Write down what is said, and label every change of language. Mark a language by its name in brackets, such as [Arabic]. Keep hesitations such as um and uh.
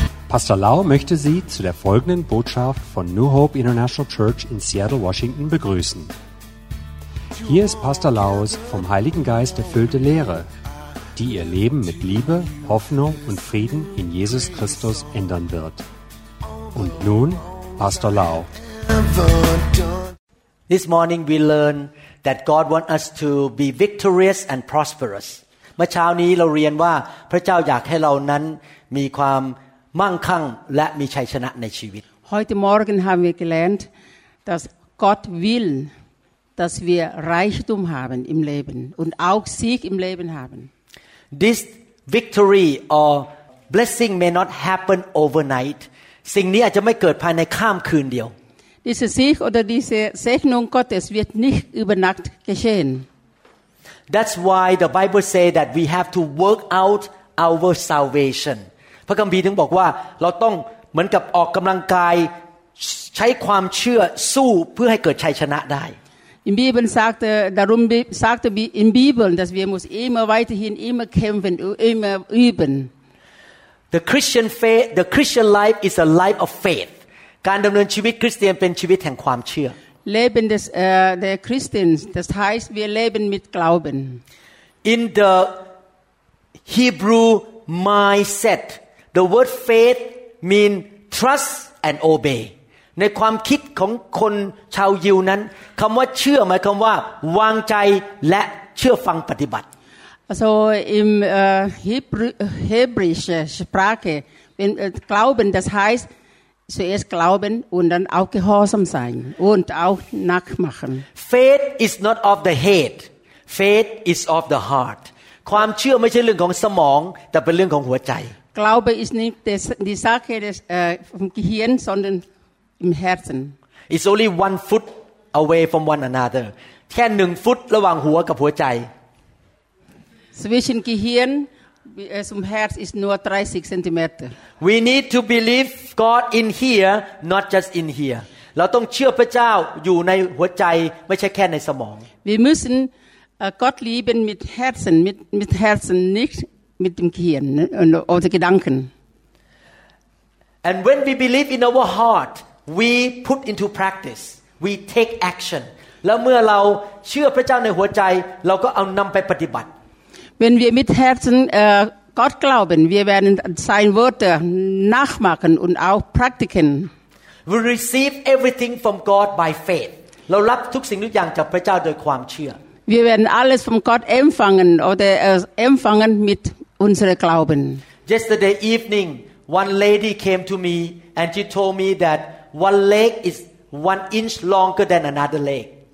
[German] Pastor Lau möchte Sie zu der folgenden Botschaft von New Hope International Church in Seattle, Washington begrüßen. Hier ist Pastor Laus vom Heiligen Geist erfüllte Lehre, die Ihr Leben mit Liebe, Hoffnung und Frieden in Jesus Christus ändern wird. Und nun Pastor Lau. [English] This morning we learn that God wants us to be victorious and prosperous. [Thai] เมื่อเช้านี้เราเรียนว่าพระเจ้าอยากให้เรานั้นมีความมั่งคั่งและมีชัยชนะในชีวิต [German] Heute Morgen haben wir gelernt, dass Gott will, dass wir Reichtum haben im Leben und auch Sieg im Leben haben. [English] This victory or blessing may not happen overnight [Thai] สิ่งนี้อาจจะไม่เกิดภายในข้ามคืนเดียว [German] Dieser Sieg oder diese Segnung Gottes wird nicht über Nacht geschehen. [English] That's why the Bible say that we have to work out our salvation [Thai] พระคัมภีร์ถึงบอกว่าเราต้องเหมือนกับออกกำลังกายใช้ความเชื่อสู้เพื่อให้เกิดชัยชนะได้ [German] Im Bibel sagte, darum bi- sagte bi- in Bibeln, dass wir muss immer weiterhin immer kämpfen, immer üben. [English] The Christian faith, the Christian life is a life of faith. [Thai] การดำเนินชีวิตคริสเตียนเป็นชีวิตแห่งความเชื่อ [German] Leben des, äh, der Christen, das heißt, wir leben mit Glauben. [English] In the Hebrew mindset, the word faith mean trust and obey. [Thai] ในความคิดของคนชาวยิวนั้นคำว่าเชื่อหมายความว่าวางใจและเชื่อฟังปฏิบัติ [German] Also im äh, Hebr hebräische Sprache, wenn, äh, Glauben, das heißt zuerst glauben und dann auch gehorsam sein und auch nachmachen. [English] Faith is not of the head. Faith is of the heart. [Thai] ความเชื่อไม่ใช่เรื่องของสมอง แต่เป็นเรื่องของหัวใจ [German] Glaube ist nicht des, die Sache des, äh, vom Gehirn, sondern im Herzen. [English] It's only one foot away from one another [Thai] แค่หนึ่งฟุตระหว่างหัวกับหัวใจ [German] Zwischen Gehirn äh, zum Herz ist nur 30 Zentimeter. [English] we need to believe God in here [Thai] not just in here เราต้องเชื่อพระเจ้าอยู่ในหัวใจไม่ใช่แค่ในสมอง [German] Wir müssen äh, Gott lieben mit Herzen, mit, mit Herzen, nicht mit dem Gehirn ne, und- oder Gedanken. [English] and when we believe in our heart we put into practice we take action [Thai] แล้วเมื่อเราเชื่อพระเจ้าในหัวใจ เราก็เอานำไปปฏิบัติ [German] Wenn wir mit Herzen äh, Gott glauben, wir werden sein Worte nachmachen und auch praktiken. [English] we receive everything from God by faith [Thai] เรารับทุกสิ่งทุกอย่างจากพระเจ้าโดยความเชื่อ [German] Wir werden alles von Gott empfangen oder äh, empfangen mit unserem Glauben. [English] Yesterday evening, one lady came to me and she told me that one leg is one inch longer than another leg.